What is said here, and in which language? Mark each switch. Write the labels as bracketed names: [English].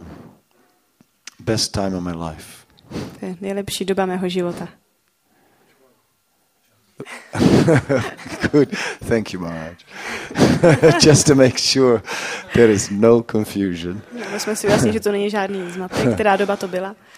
[English] That's best time of my life. [Czech] To je nejlepší doba mého života. [English] Good. Thank you, Maharaj. Just to make sure there is no confusion. [Czech] Musíme si ujasnit, že to není žádný zmatek, která doba to byla.